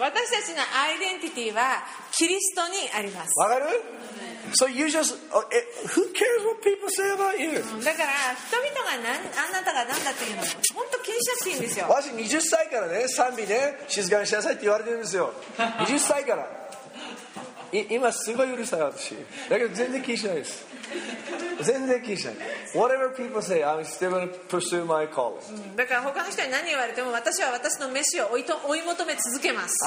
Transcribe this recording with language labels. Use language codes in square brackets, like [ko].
[ja] 私たちのアイデンティティはキリストにあります。わかる？ [en] So you just who cares what people say about you? [ja] だから人々が何あなたが何だっていうの本当気にしなくていいんですよ。わし20歳からね賛美ね静かにしなさいって言われてるんですよ。 20歳から今すごいうるさい私だけど全然気にしないです。全然気にしない。 [en] Whatever people say, I'm still going to pursue my calling. [ja] だから他の人に何言われても私は私の召しを追い求め続けます。